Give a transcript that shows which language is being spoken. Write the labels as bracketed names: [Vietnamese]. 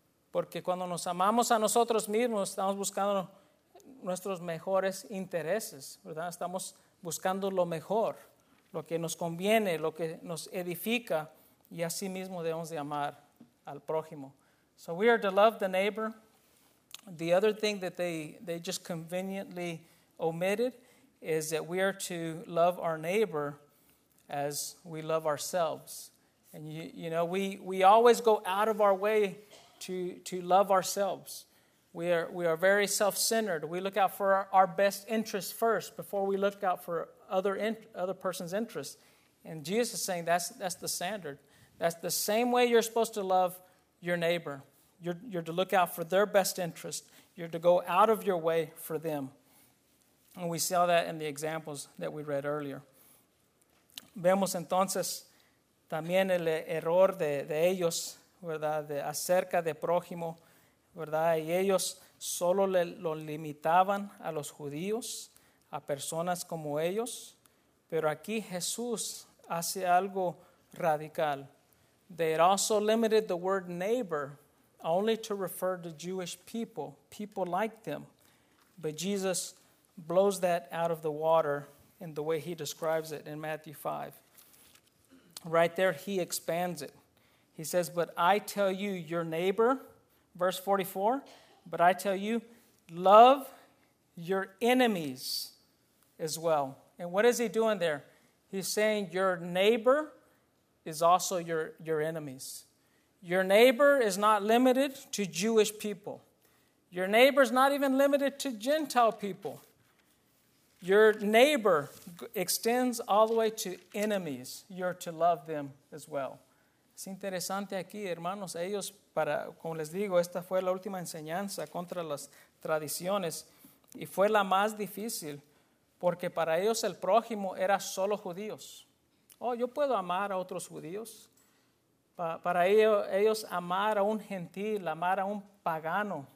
[Spanish] Porque cuando nos amamos a nosotros mismos, estamos buscando nuestros mejores intereses, ¿verdad? Estamos buscando lo mejor, lo que nos conviene, lo que nos edifica, y así mismo debemos de amar al prójimo. [English] So we are to love the neighbor. The other thing that they just conveniently omitted is that we are to love our neighbor as we love ourselves. And we always go out of our way to love ourselves. We are very self-centered. We look out for our best interests first before we look out for other person's interests. And Jesus is saying that's the standard. That's the same way you're supposed to love your neighbor. You're to look out for their best interest. You're to go out of your way for them. And we saw that in the examples that we read earlier. [Spanish] Vemos entonces también el error de ellos, ¿verdad? De acerca de prójimo, ¿verdad? Y ellos solo lo limitaban a los judíos, a personas como ellos. Pero aquí Jesús hace algo radical. [English] They also limited the word neighbor only to refer to Jewish people, people like them. But Jesus blows that out of the water in the way he describes it in Matthew 5. Right there, he expands it. He says, but I tell you, your neighbor, verse 44, but I tell you, love your enemies as well. And what is he doing there? He's saying your neighbor is also your enemies. Your neighbor is not limited to Jewish people. Your neighbor is not even limited to Gentile people. Your neighbor extends all the way to enemies. You're to love them as well. [Spanish] Es interesante aquí, hermanos. Ellos, para, como les digo, esta fue la última enseñanza contra las tradiciones. Y fue la más difícil, porque para ellos el prójimo era solo judíos. Oh, yo puedo amar a otros judíos. Para ellos amar a un gentil, amar a un pagano.